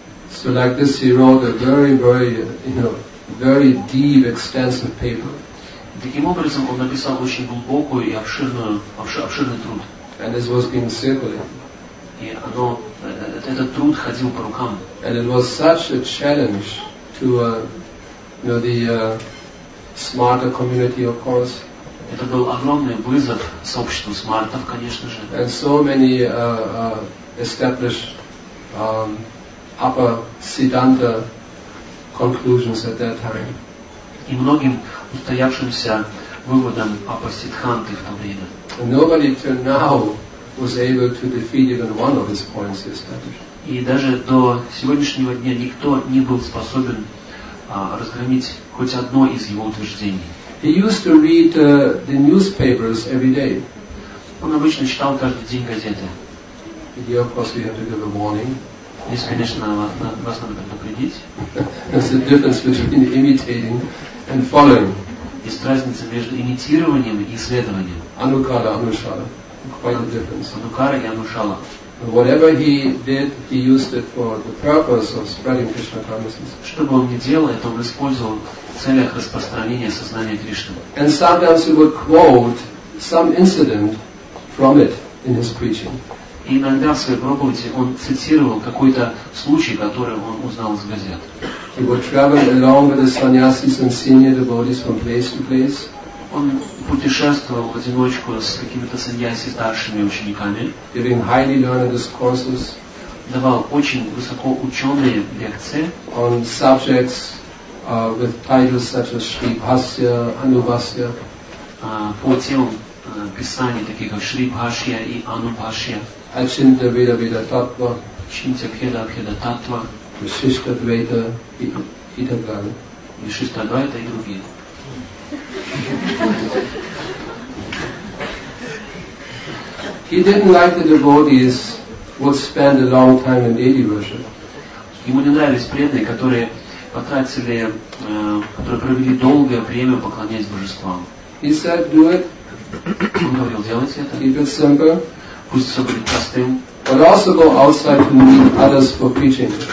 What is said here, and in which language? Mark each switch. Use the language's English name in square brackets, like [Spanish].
[English] So like this, he wrote a very, very, you know, very deep, extensive paper. [Russian] Таким образом, он написал очень глубокую и обширный труд. [English] And this was being circulated. [Russian] И этот труд ходил по рукам. [English] And it was such a challenge to, the smarter community, of course. [Russian] Это был огромный вызов сообществу смартов, конечно же. [English] And so many established. Upper Siddhanta conclusions at that time. [Russian] И многим устоявшимся выводам Upper Siddhanta в то время. [English] Nobody till now was able to defeat even one of his points he established. [Russian] И даже до сегодняшнего дня никто не был способен разгромить хоть одно из его утверждений. [English] He used to read the newspapers every day. [Russian] Он обычно читал каждый день газеты. [English] And of course, we have to give a warning. [Russian] Здесь, конечно, вас надо предупредить. [English] There's a difference between imitating and following. [Russian] Есть разница между имитированием и следованием. [English] Anukara, anushala. Quite a difference. [Russian] Anukara и anushala. [English] Whatever he did, he used it for the purpose of spreading Krishna consciousness. [Russian] Что бы он ни делал, это он использовал в целях распространения сознания Кришны. [English] And sometimes he would quote some incident from it in his preaching. [Russian] И иногда в своей проповеди он цитировал какой-то случай, который он узнал из газет. [English] He would travel along with the sannyasis and senior devotees from place to place. [Russian] Он путешествовал в одиночку с какими-то саньяси старшими учениками. [English] Giving highly learned discourses. [Russian] Давал очень высоко ученые лекции. [English] On subjects with titles such as Shri Bhasya, Anubhasya. [Russian] По темам писаний, таких как Шри Бхашья и Анубхашья. [Sanskrit] Ачинтья Веда Веда Таттва, Чинтья Пхеда Пхеда Таттва, [Russian] Вишишта Двейта и так далее. Вишишта Двейта и другие. [English] He didn't like the devotees would spend a long time in deity worship. [Russian] Ему не нравились преданные, которые потратили, которые провели долгое время поклоняясь божествам. [English] He said, do it. [Russian] Он говорил, делайте это. [English] Keep it simple. [Russian] Пусть все будет простым. [English] But also go outside to meet others for preaching.